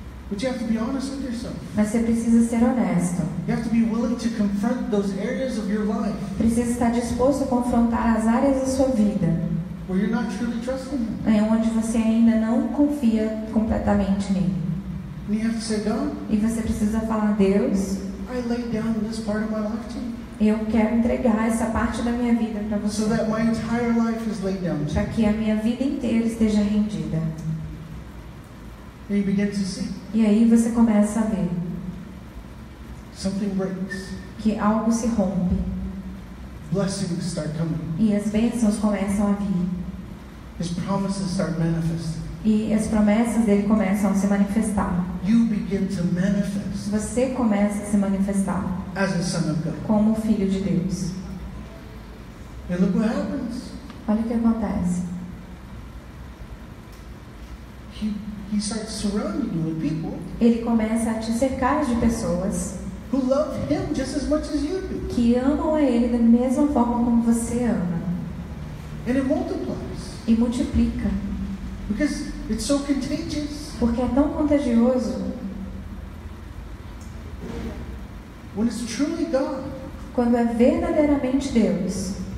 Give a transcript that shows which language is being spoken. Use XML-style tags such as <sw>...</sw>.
<en>But you have to be honest with yourself.</en> <pt>Mas você precisa ser honesto.</pt> <en>You have to be willing to confront those areas of your life.</en> <pt>Precisa estar disposto a confrontar as áreas da sua vida.</pt> <en>Where you're not truly trusting him.</en> <pt>É onde você ainda não confia completamente nele.</pt> <en>And you have to say, God.</en> <pt>E você precisa falar, Deus.</pt> <en>I lay down this part of my life to you.</en> <pt>Eu quero entregar essa parte da minha vida para você.</pt> <en>So that my entire life is laid down.</en> <pt>Para que a minha vida inteira esteja rendida.</pt> <en>And you begin to see.</en> <pt>E aí você começa a ver.</pt> <en>Something breaks.</en> <pt>Que algo se rompe.</pt> <en>Blessings start coming.</en> <pt>E as bênçãos começam a vir.</pt> <en>His promises start manifesting.</en> <pt>E as promessas dele começam a se manifestar.</pt> <en>You begin to manifest.</en> <pt>Você começa a se manifestar.</pt> <en>As a son of God.</en> <pt>Como filho de Deus.</pt> <en>And look what happens.</en> <pt>Olha o que acontece.</pt> <en>He starts surrounding you with people.</en> <pt>Ele começa a te cercar de pessoas.</pt> <en>Who love him just as much as you do.</en> <pt>Que amam a ele da mesma forma como você ama.</pt> <en>And it multiplies.</en> <pt>E multiplica.</pt> <en>Because it's so contagious.</en> <pt>Porque é tão contagioso.</pt> <en>is truly God.</en> <pt>Quando é verdadeiramente Deus.</pt>